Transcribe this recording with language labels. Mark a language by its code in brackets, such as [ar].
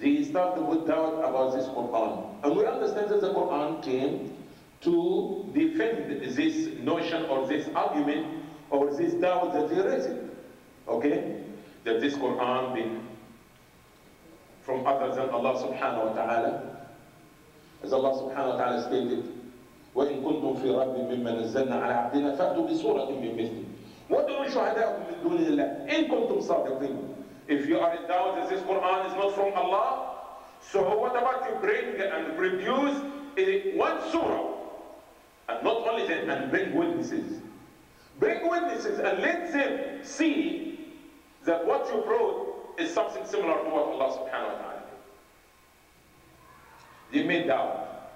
[en] They start to put doubt about this Quran. And we understand that the Quran came to defend this notion or this argument or this doubt that they're raising. Okay? That this Quran been from other than Allah subhanahu wa ta'ala. [ar] As Allah subhanahu wa ta'ala stated, وَإِنْ كُنْتُمْ فِي رَبِّ مِمَّا نَزَّلْنَا عَلَىٰ عَبْدِنَا فَأْتُوا بِسُورَةٍ مِّنْ مِثْلِهِ وَدُعُوا شُهَدَاءَكُمْ مِنْ دُونِ اللَّهِ إِنْ كُنْتُمْ صَادِقِينَ. [en] If you are in doubt that this Quran is not from Allah, so what about you bring and produce one surah? And not only that, and bring witnesses. Bring witnesses and let them see that what you brought is something similar to what Allah subhanahu wa ta'ala did. They made doubt.